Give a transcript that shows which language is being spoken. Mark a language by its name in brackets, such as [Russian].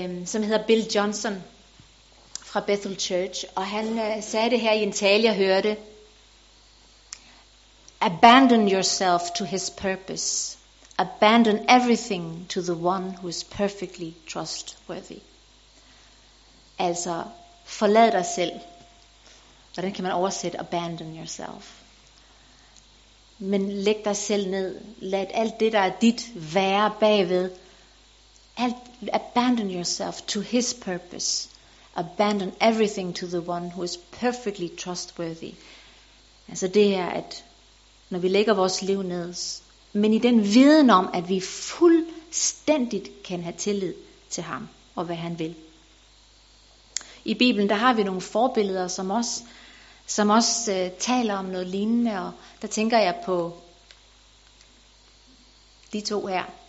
[Danish] Som hedder Bill Johnson fra Bethel Church. Og han sagde det her i en tale, jeg hørte. [English] Abandon yourself to his purpose. Abandon everything to the one who is perfectly trustworthy. [Danish] Altså, forlad dig selv. Hvordan kan man oversætte [English] abandon yourself? [Danish] Men læg dig selv ned. Lad alt det, der er dit, være bagved. [English] Abandon yourself to his purpose. Abandon everything to the one who is perfectly trustworthy. [Danish] Altså det her, at når vi lægger vores liv ned, men i den viden om, at vi fuldstændigt kan have tillid til ham og hvad han vil. I Bibelen, der har vi nogle forbilleder, som også taler om noget lignende, og der tænker jeg på de to her.